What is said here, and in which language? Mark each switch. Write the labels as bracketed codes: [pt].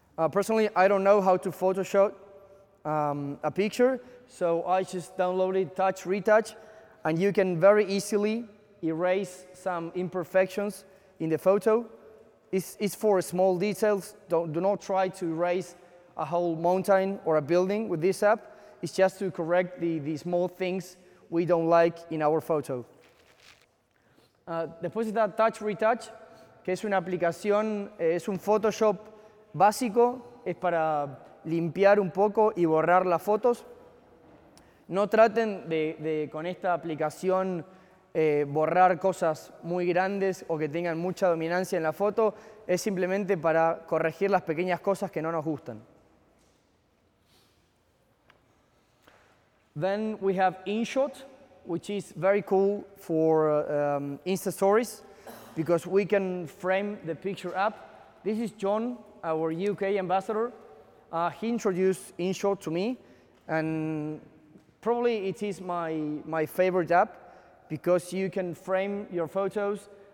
[en] Personally, I don't know how to Photoshop a picture, so I just downloaded Touch Retouch, and you can very easily erase some imperfections in the photo. It's for small details. Do not try to erase a whole mountain or a building with this app. It's just to correct the small things we don't like in our photo. [es] Después está Touch Retouch, que es una aplicación, es un Photoshop básico, es para limpiar un poco y borrar las fotos. No traten de con esta aplicación borrar cosas muy grandes o que tengan mucha dominancia en la foto, es simplemente para corregir las pequeñas cosas que no nos gustan. [en] Then we have InShot, which is very cool for Insta stories because we can frame the picture up. This is John, our UK ambassador. He introduced InShot to me, and probably it is my favorite app because you can frame your photos.